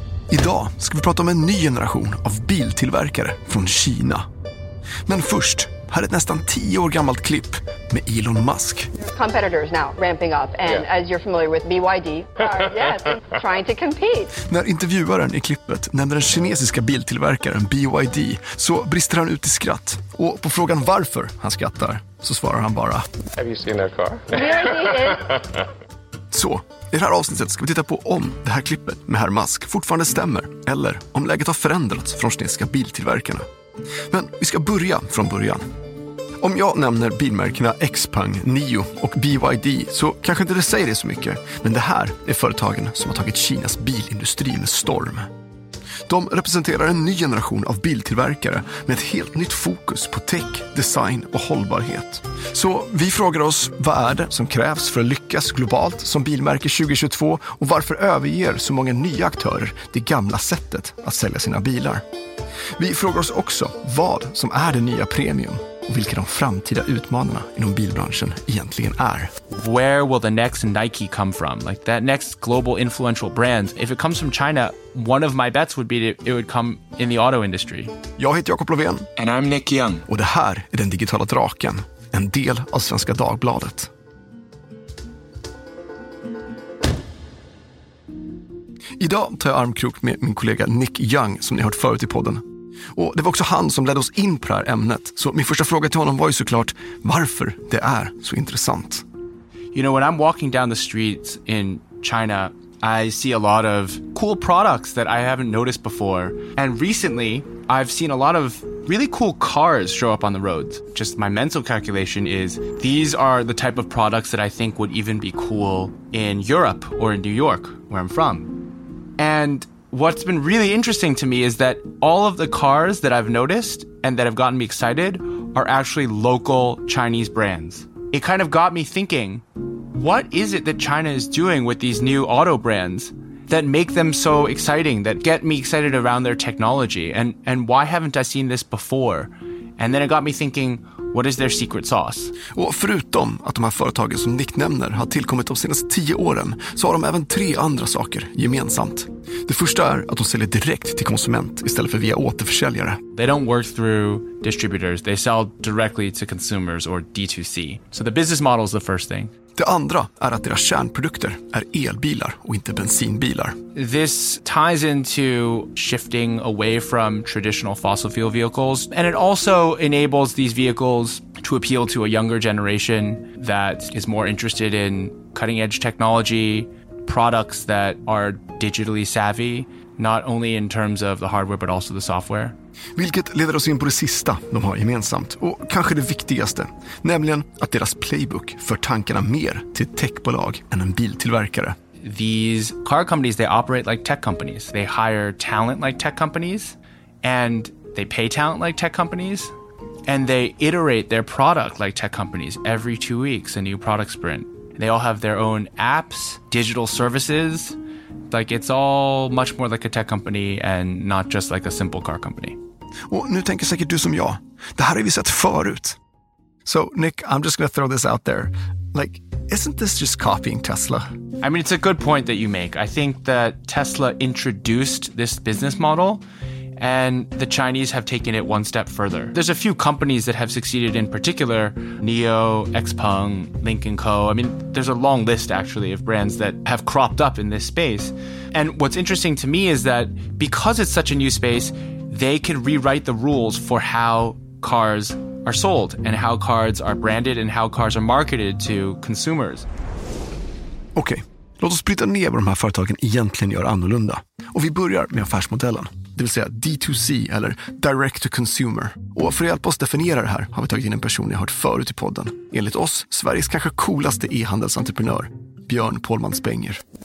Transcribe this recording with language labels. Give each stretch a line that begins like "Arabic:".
Swedish: Idag ska vi prata om en ny generation av biltillverkare från Kina. Men först, här är ett nästan 10 år gammalt klipp med Elon Musk.
English: Competitors now ramping up and yeah. As you're familiar with BYD, are, yes, trying to compete.
Swedish: När intervjuaren i klippet nämner den kinesiska biltillverkaren BYD så brister han ut i skratt. Och på frågan varför han skrattar så svarar han bara:
English: Have you seen their car?
Swedish: Så, i det här avsnittet ska vi titta på om det här klippet med herr Musk fortfarande stämmer eller om läget har förändrats från kinesiska biltillverkarna. Men vi ska börja från början. Om jag nämner bilmärkena XPeng, NIO och BYD så kanske inte det säger det så mycket, men det här är företagen som har tagit Kinas bilindustri med storm. De representerar en ny generation av biltillverkare med ett helt nytt fokus på tech, design och hållbarhet. Så vi frågar oss, vad är det som krävs för att lyckas globalt som bilmärke 2022 och varför överger så många nya aktörer det gamla sättet att sälja sina bilar? Vi frågar oss också vad som är det nya premium och vilka de framtida utmaningarna inom bilbranschen egentligen är.
English: Where will the next Nike come from? Like that next global influential brand, if it comes from China, one of my bets would be it would come in the auto industry.
Swedish: Jag heter Jakob Löfven.
English: And I'm Nick Young.
Swedish: Och det här är den digitala draken, en del av Svenska Dagbladet. Idag tar jag armkrok med min kollega Nick Young som ni hört förut i podden. Och det var också han som ledde oss in på det här ämnet. Så min första fråga till honom var ju såklart varför det är så intressant.
English: You know, when I'm walking down the streets in China, I see a lot of cool products that I haven't noticed before. And recently, I've seen a lot of really cool cars show up on the roads. Just my mental calculation is these are the type of products that I think would even be cool in Europe or in New York, where I'm from. And what's been really interesting to me is that all of the cars that I've noticed and that have gotten me excited are actually local Chinese brands. It kind of got me thinking, what is it that China is doing with these new auto brands that make them so exciting, that get me excited around their technology? And why haven't I seen this before? And then it got me thinking, what is their secret sauce?
Swedish: Och förutom att de här företagen som Nick nämner har tillkommit de senaste 10 åren så har de även 3 andra saker gemensamt. Det första är att de säljer direkt till konsument istället för via återförsäljare.
English: They don't work through distributors. They sell directly to consumers or D2C. So the business model is the first thing.
Swedish: Det andra är att deras kärnprodukter är elbilar och inte bensinbilar.
English: This ties into shifting away from traditional fossil fuel vehicles, and it also enables these vehicles to appeal to a younger generation that is more interested in cutting edge technology, products that are digitally savvy, not only in terms of the hardware but also the software.
Swedish: Vilket leder oss in på det sista de har gemensamt och kanske det viktigaste, nämligen att deras playbook för tankarna mer till techbolag än en biltillverkare.
English: These car companies, they operate like tech companies. They hire talent like tech companies and they pay talent like tech companies and they iterate their product like tech companies. Every 2 weeks a new product sprint. They all have their own apps, digital services. Like it's all much more like a tech company and not just like a simple car company.
Swedish: Och nu tänker säkert du som jag, det här har vi sett förut.
English: So Nick, I'm just gonna throw this out there. Like, isn't this just copying Tesla? I mean, it's a good point that you make. I think that Tesla introduced this business model and the Chinese have taken it one step further. There's a few companies that have succeeded in particular, NIO, XPeng, Lincoln Co. I mean, there's a long list actually of brands that have cropped up in this space. And what's interesting to me is that because it's such a new space, they can rewrite the rules for how cars are sold and how cars are branded and how cars are marketed to consumers.
Swedish: Okay, låt oss bryta ner vad de här företagen egentligen gör annorlunda. Och vi börjar med affärsmodellen. det vill säga D2C eller Direct to Consumer. Och för att hjälpa oss definiera det här har vi tagit in en person jag hört förut i podden. Enligt oss, Sveriges kanske coolaste e-handelsentreprenör, Björn Pålman Spänger.